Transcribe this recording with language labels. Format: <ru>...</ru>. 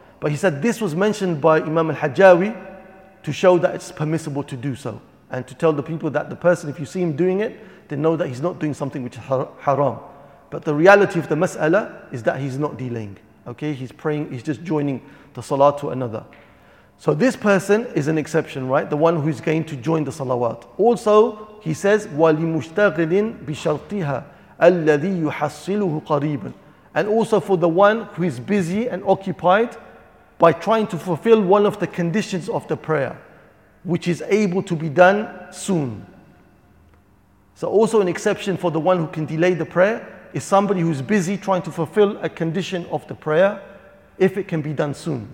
<en>But he said, this was mentioned by Imam al-Hajjawi to show that it's permissible to do so, and to tell the people that the person, if you see him doing it, then know that he's not doing something which is haram. But the reality of the mas'ala is that he's not delaying. Okay, he's praying, he's just joining the salah to another. So this person is an exception, right? The one who's going to join the salawat. Also, he says,</en> <ar>وَلِمُشْتَغِلٍ بِشَرْطِهَا الَّذِي يُحَصِّلُهُ قَرِيبًا.</ar> <en>And also for the one who is busy and occupied by trying to fulfill one of the conditions of the prayer, which is able to be done soon. So also an exception for the one who can delay the prayer is somebody who's busy trying to fulfill a condition of the prayer, if it can be done soon.</en>